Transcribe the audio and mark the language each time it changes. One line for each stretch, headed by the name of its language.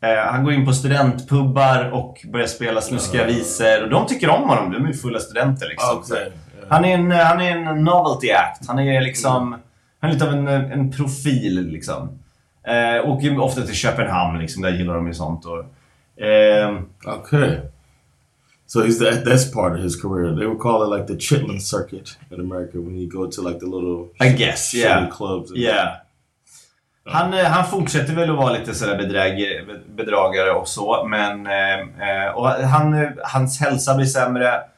Swedish: Han går in på studentpubbar och börjar spela snuskiga visor. Och de tycker om honom. De är ju fulla studenter liksom.
English: Okay.
Swedish: Han är en novelty act. Han är liksom han är lite av en profil liksom. Och ofta till Köpenhamn liksom, där gillar de ju sånt och
English: okay. So is that this part of his career? They would call it like the Chitlin' circuit in America when you go to like the little clubs and yeah.
Swedish: Han fortsätter väl att vara lite så där bedragare och så, men och hans hälsa blir sämre.